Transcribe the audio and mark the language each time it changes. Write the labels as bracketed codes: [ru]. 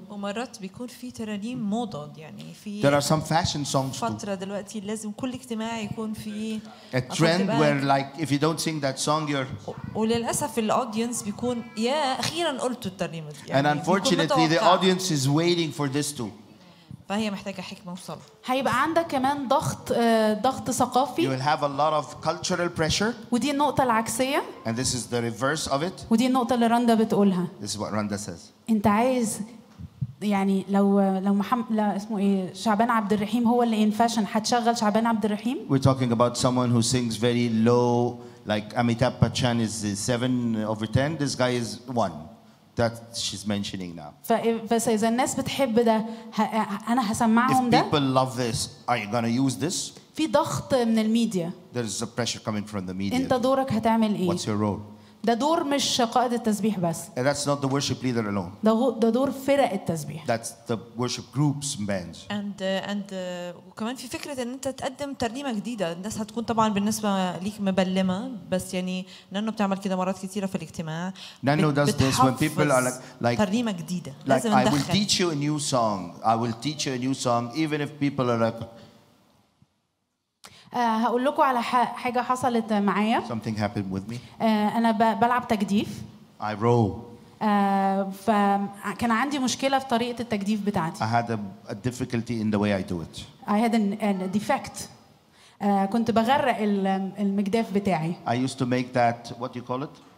[ar] ومرات بيكون في ترانيم موضد يعني في. [en] There are some fashion songs too. [ar] فترة دلوقتي لازم كل اجتماع يكون في. [en] A trend where like if you don't sing that song you're. [ar] وللأسف ال audience بيكون يا أخيرا قلت الترنيمة. [en] And unfortunately the audience is waiting for this too. [ar] فهي محتاجة حكمة وصبر. هيبقى عندك كمان ضغط ثقافي. [en] You will have a lot of cultural pressure. [ar] ودي النقطة العكسية. [en] And this is the reverse of it. [ar] ودي النقطة اللي راندا بتقولها. [en] This is what Randa says. [ar] أنت عايز يعني لو محمد لا اسمه إيه شعبان عبد الرحيم هو اللي [en] in fashion [ar] هتشغل شعبان عبد الرحيم. [en] We're talking about someone who sings very low, like Amitabh Bachchan is 7/10. This guy is 1. That she's mentioning now. [ar] فإذا الناس بتحب ده أنا هسمعهم ده. [en] If people love this, are you gonna use this? [ar] في ضغط من الميديا. [en] There is a pressure coming from the media. [ar] أنت دورك هتعمل إيه؟ [en] What's your role? [ar] ده دور مش قائد التسبيح بس. [en] And that's not the worship leader alone. [ar] ده دور فرق التسبيح. [en] That's the worship groups and bands. [ar] And وكمان في فكرة إن أنت تقدم ترنيمة جديدة الناس هتكون طبعا بالنسبة ليك مبلمة بس يعني نانو بتعمل كده مرات كتيرة في الاجتماع. [en] Nano does this when people are like [ar] ترنيمة جديدة. [en] Like I will teach you a new song. I will teach you a new song even if people are like. [ar] هقول لكم على حاجة حصلت معايا. [en] Something happened with me. [ar] أنا بلعب تجديف. [en] I row. [ar] فكان عندي مشكلة في طريقة التجديف بتاعتي. [en] I had a difficulty in the way I do it. I had a defect. [ar] كنت بغرق المجداف بتاعي. [en] I used to make that, what do you call it?